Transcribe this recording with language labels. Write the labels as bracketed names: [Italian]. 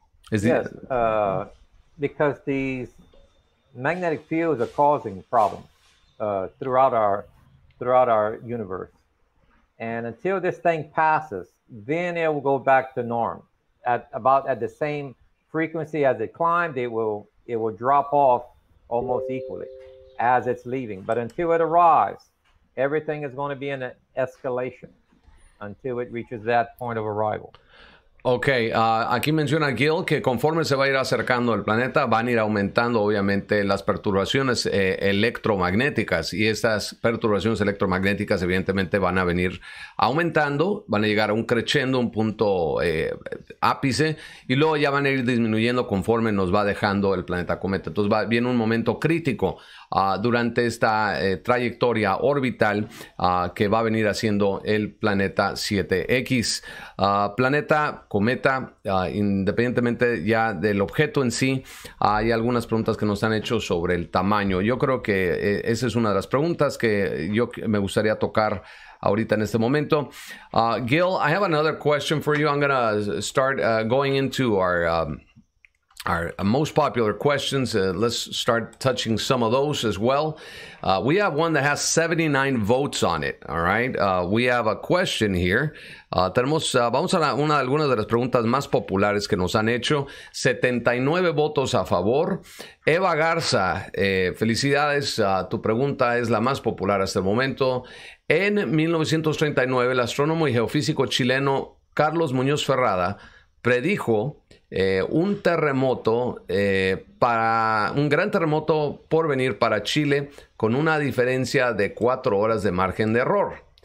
[English] Because these magnetic fields are causing problems throughout our universe, and until this thing passes, then it will go back to norm at the same frequency as it climbed. It will drop off almost equally as it's leaving, but until it arrives, everything is going to be in an escalation until it reaches that point of arrival. [Spanish] Ok, aquí menciona Gil que conforme se va a ir acercando el planeta, van a ir aumentando obviamente las perturbaciones electromagnéticas, y estas perturbaciones electromagnéticas evidentemente van a venir aumentando, van a llegar a un crescendo, un punto ápice, y luego ya van a ir disminuyendo conforme nos va dejando el planeta cometa. Entonces viene un momento crítico durante esta trayectoria orbital que va a venir haciendo el planeta 7X. Planeta, cometa, independientemente ya del objeto en sí, hay algunas preguntas que nos han hecho sobre el tamaño. Yo creo que esa es una de las preguntas que yo me gustaría tocar ahorita en este momento. [English] Gil, I have another question for you. I'm going to start going into our most popular questions. Let's start touching some of those as well. We have one that has 79 votes on it, all right? We have a question here. [Spanish] Vamos a una de algunas de las preguntas más populares que nos han hecho. 79 votos a favor. Eva Garza, felicidades. Tu pregunta es la más popular hasta el momento. En 1939, el astrónomo y geofísico chileno Carlos Muñoz Ferrada predijo un terremoto para un gran terremoto por venir para Chile con una diferencia de 4 horas de margen de error.